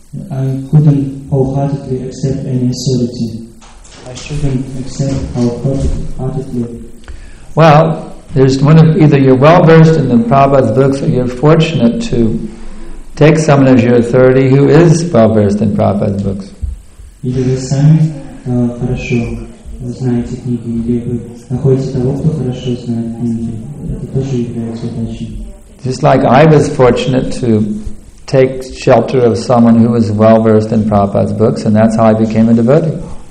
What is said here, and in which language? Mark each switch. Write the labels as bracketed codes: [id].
[en] I couldn't wholeheartedly accept any authority. I shouldn't accept wholeheartedly. Well, there's one of either you're well versed in the Prabhupada's books, or you're fortunate to take someone as your authority who is well versed in Prabhupada's books. [ru] Either вы сами хорошо знаете книги, или вы находите того, кто хорошо знает книги. Это тоже является удачей. [en] Just like I was fortunate to take shelter of someone who was well versed in Prabhupada's books, and that's how I became a devotee.